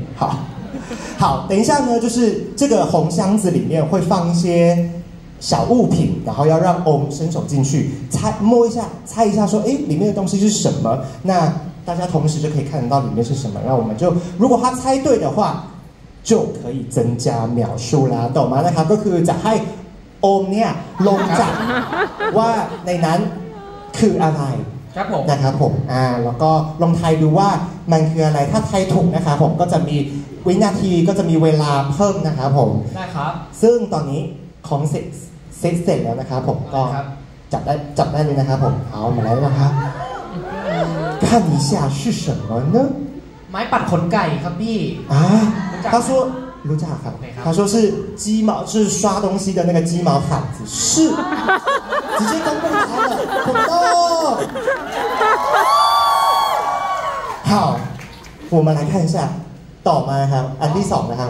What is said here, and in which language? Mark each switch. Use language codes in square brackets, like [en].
[zh] 好，好，等一下呢，就是这个红箱子里面会放一些小物品，然后要让Om伸手进去猜摸一下，猜一下说，哎，里面的东西是什么？那大家同时就可以看得到里面是什么。那我们就，如果他猜对的话，就可以增加秒数啦，懂吗？那卡哥可以讲，嗨，Om nia long zha， 哇，那男 [th] คืออะไร ครับผมนะครับผมแล้วก็ลองทายดูว่ามันคืออะไรถ้าทายถูกนะครับผมก็จะมีวินาทีก็จะมีเวลาเพิ่มนะครับผม ได้ครับ ซึ่งตอนนี้ของเสร็จแล้วนะครับผมก็ จับได้เลยนะครับผมเอามาแล้วนะครับ [zh] 看一下是什么呢 [th] ไม้ปัดขนไก่ครับพี่ [zh] 他说 [th] รู้จักครับ [zh] 他说是鸡毛是刷东西的那个鸡毛毯子是直接公布答案了很多好，我们来看一下， [th] ต่อมาครับ อันที่สองนะครับ